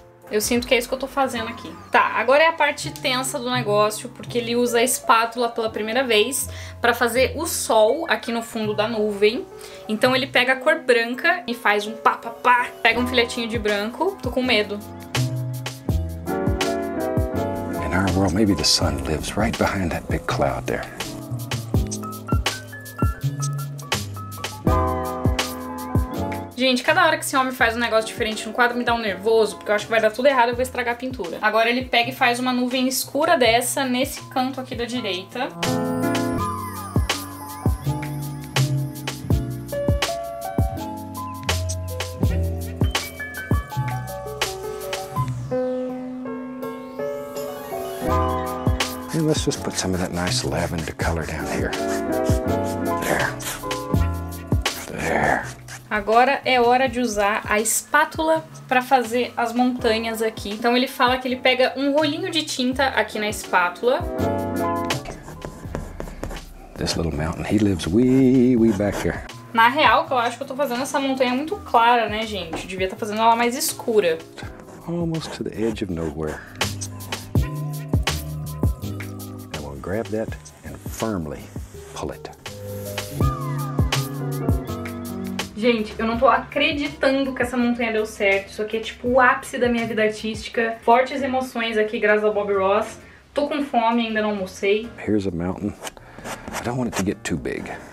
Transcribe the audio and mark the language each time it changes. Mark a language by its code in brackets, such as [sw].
[pt] Eu sinto que é isso que eu tô fazendo aqui. Tá, agora é a parte tensa do negócio, porque ele usa a espátula pela primeira vez pra fazer o sol aqui no fundo da nuvem. Então ele pega a cor branca e faz um pá, pá, pá. Pega um filetinho de branco. Tô com medo. [en] In our world, maybe the sun lives right behind that big cloud there. [pt] Gente, cada hora que esse homem faz um negócio diferente no quadro me dá um nervoso, porque eu acho que vai dar tudo errado e eu vou estragar a pintura. Agora ele pega e faz uma nuvem escura dessa nesse canto aqui da direita. [en] Hey, let's just put some of that nice lavender color down here. There. There. [pt] Agora é hora de usar a espátula para fazer as montanhas aqui. Então ele fala que ele pega um rolinho de tinta aqui na espátula. [en] This little mountain, he lives way back here. [pt] Na real, eu acho que eu tô fazendo essa montanha muito clara, né, gente? Eu devia estar fazendo ela mais escura. [en] Almost to the edge of nowhere. Now we'll grab that and firmly pull it. [pt] Gente, eu não tô acreditando que essa montanha deu certo. Isso aqui é tipo o ápice da minha vida artística. Fortes emoções aqui, graças ao Bob Ross. Tô com fome, ainda não almocei. [en] Here's a mountain. I don't want it to get too big.